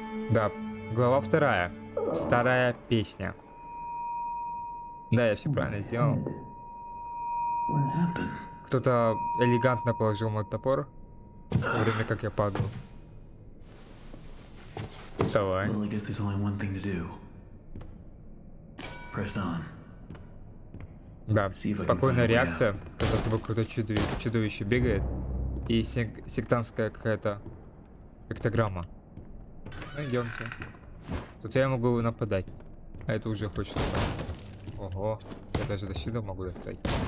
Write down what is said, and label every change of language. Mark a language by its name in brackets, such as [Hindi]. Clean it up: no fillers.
[Russian] Да, глава вторая. Старая песня. Да, я все правильно сделал. Кто-то элегантно положил мой топор, в то время как я падал. [English] Well, I guess there's only one thing to do. Press on. [Russian] Да, спокойная реакция, когда тобой какое-то чудовище бегает, и сектантская какая-то пиктограмма. Ну, идемте. Тут я могу нападать. А это уже хочется. Ого, я даже до сюда могу достать.